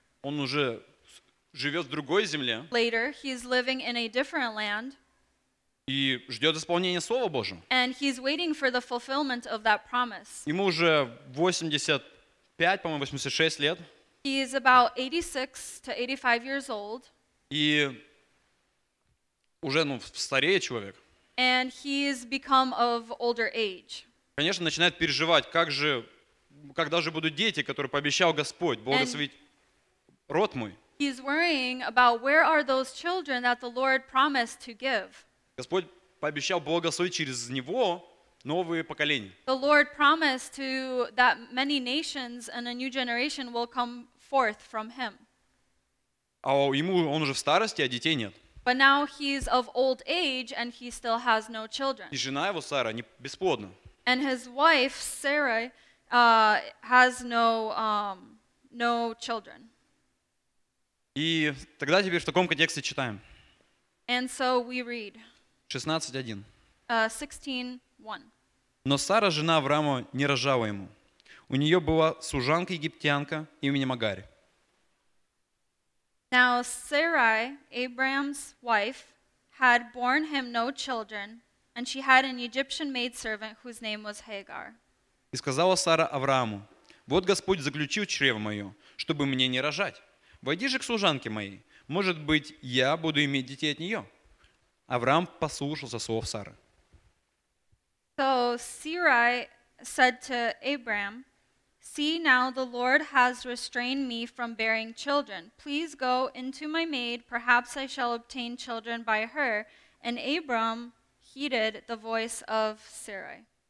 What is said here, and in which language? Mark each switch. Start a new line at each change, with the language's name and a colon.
Russian: Он уже живет в другой земле.
English: Later, he's living in a different land.
Russian: И ждет исполнения Слова Божьего.
English: And he's waiting for the fulfillment of that promise.
Russian: Ему уже 85, по-моему, 86 лет.
English: He is about 86 to 85 years old.
Russian: И уже, ну, старее человек.
English: And he's become of older age.
Russian: Конечно, начинает переживать, как же, когда же будут дети, которые пообещал Господь, благословить род мой.
English: He's worrying about where are those children that the Lord promised to give.
Russian: Господь пообещал благословить через него новые поколения.
English: The Lord promised to that many nations and a new generation will come forth from him.
Russian: А ему, он уже в старости, а детей нет.
English: But now he's of old age and he still has no children.
Russian: И жена его, Сара, не бесплодна.
English: And his wife, Sarah, has no children.
Russian: И тогда теперь в таком контексте читаем.
English: And so we read.
Russian: 16.1.
English: 16.1.
Russian: Но Сара, жена Авраама, не рожала ему. У нее была служанка-египтянка именем Агарь.
English: Now Sarai, Abraham's wife, had borne him no children, and she had an Egyptian maidservant whose name was Hagar.
Russian: И сказала Сара Аврааму, «Вот Господь заключил чрево мое, чтобы мне не рожать. Войди же к служанке моей, может быть, я буду иметь детей от нее». Авраам послушался слов Сары.
English: So Sarai said to Abraham, See now the Lord has restrained me from bearing children. Please go into my maid, perhaps I shall obtain children by her. And Abram heeded the voice of Sarai.